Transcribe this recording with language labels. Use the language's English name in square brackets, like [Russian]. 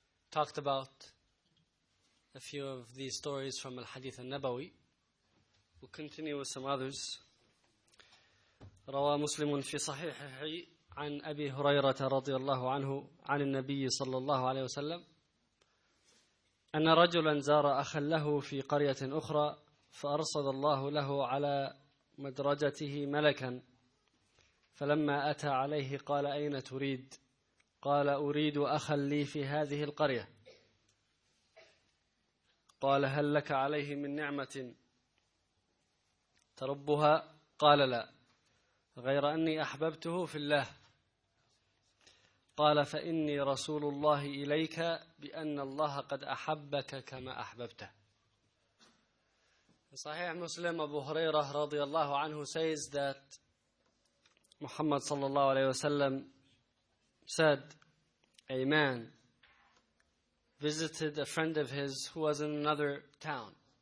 [English] Talked about a few of these stories from al-Hadith al-Nabawi. We'll continue with some others. [Arabic] روى مسلم في صحيحه عن أبي هريرة رضي الله عنه عن النبي صلى الله عليه وسلم أن رجلا زار أخا له في قرية أخرى فأرصد الله له على مدرجته ملكا فلما أتى عليه قال أين تريد؟ قال أريد أخا لي في هذه القرية. قال هل لك عليه من نعمة تربها؟ قال لا غير أني أحببته في الله. قال فإني رسول الله إليك بأن الله قد أحبك كما أحببته. صحيح مسلم أبو هريرة رضي الله عنه [English] says that محمد [Arabic] صلى الله عليه وسلم [English] said a man visited a friend of his who was in another town.